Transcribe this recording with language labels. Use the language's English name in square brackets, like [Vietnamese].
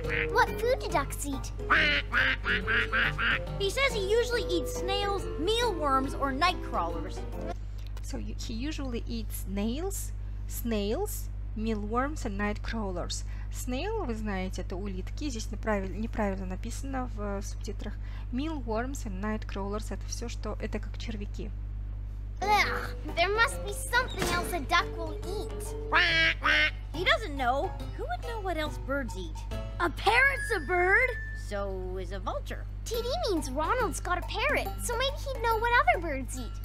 [English] What food do ducks eat? He says he usually eats snails, mealworms, or night crawlers. So he usually eats snails, mealworms, and night crawlers. [Russian] Snail, вы знаете, это улитки. Здесь неправильно написано в субтитрах. [English] Mealworms and night crawlers [Russian] – это все, что это как червяки. [English] Ugh, there must be something else a duck will eat. He doesn't know. Who would know what else birds eat? A parrot's a bird. So is a vulture. TD means Ronald's got a parrot, so maybe he'd know what other birds eat.